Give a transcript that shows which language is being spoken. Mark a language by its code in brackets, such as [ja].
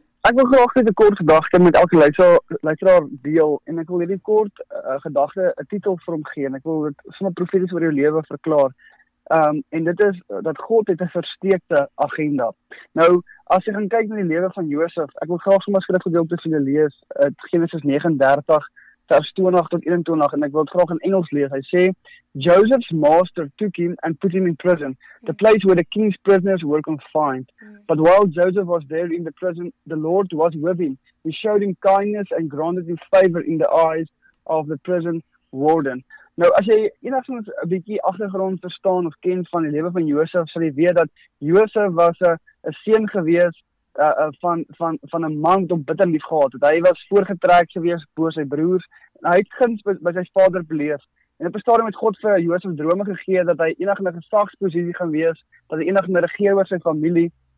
[af] Ek wil graag net 'n kort gedagte met elke luisteraar deel en ek wil hierdie kort gedagte 'n titel vir hom gee en ek wil dit sommer profeties oor jou lewe verklaar. En dit is dat God het 'n versteekte agenda. Nou, as jy gaan kyk na die lewe van Josef, ek wil graag sommer 'n skrifgedeelte vir julle lees, Genesis 39 vers 20 tot 21 en ek wil dit graag in Engels lees. Hy sê, [en] Joseph's master took him and put him in prison, the place where the king's prisoners were confined. But while Joseph was there in the prison, the Lord was with him. He showed him kindness and granted him favor in the eyes of the prison warden. [af] Nou, as jy enigszins 'n bietjie agtergrond verstaan of ken van die lewe van Joseph, sal jy weet dat Joseph was 'n seun gewees van 'n man wat hom bitter lief gehad het. Hy was voorgetrek gewees bo sy broers en hy het guns by sy vader beleef. En op 'n stadium het God vir Josef drome gegee dat hy eendag 'n gesagsposisie gaan wees, dat hy eendag regeer oor sy familie.